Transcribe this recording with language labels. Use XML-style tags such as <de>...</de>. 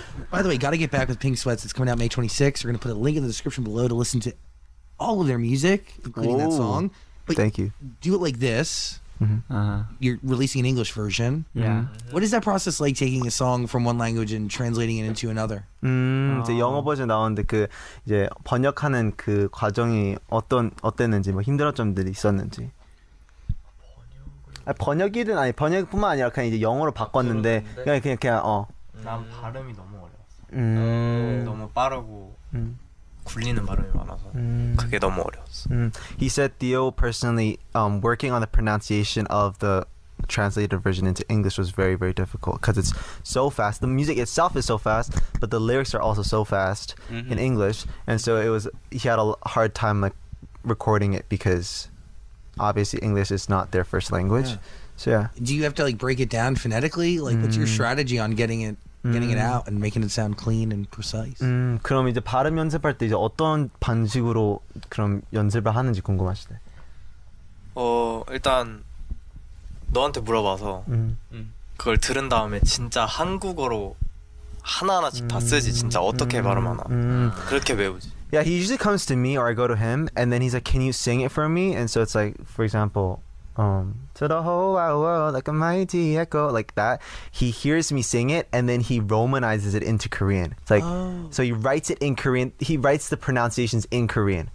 <en>By the way, got to get back with Pink Sweats. It's coming out May 26th. We're going to put a link in the description below to listen to all of their music, including that song. But thank you. Do it like this. You're releasing an English version. Yeah. What is that process like, taking a song from one language and translating it into another?</en> <ko>이제 영어 버전 나오는데 그 이제 번역하는 그 과정이 어땠는지 뭐 힘들었던 점들이 있었는지. 번역이든 아니 번역뿐만 아니라 그냥 이제 영어로 바꿨는데 그냥 어. 난 발음이 너무 어려웠어. 너무 빠르고 굴리는 발음이 많아서 그게 너무 어려웠어.</ko> <en>He said Theo personally working on the pronunciation of the translated version into English was very very difficult because it's so fast. The music itself is so fast, but the lyrics are also so fast in English, and so it was, he had a hard time like recording it because obviously English is not their first language. So yeah, do you have to like break it down phonetically, like what's your strategy on getting it getting it out and making it sound clean and precise?</en> <ko>그럼 이제 발음 연습할 때 이제 어떤 방식으로 그럼 연습을 하는지 궁금하시대. 일단 너한테 물어봐서 그걸 들은 다음에 진짜 한국어로 하나하나씩 다 쓰지. 진짜 어떻게 발음하나 그렇게 외우지.</ko> <en>Yeah, he usually comes to me or I go to him and then he's like, can you sing it for me? And so it's like, for example, to the whole wide world like a mighty echo, like that. He hears me sing it and then he romanizes it into Korean. It's like, so he writes it in Korean. He writes the pronunciations in Korean.</en>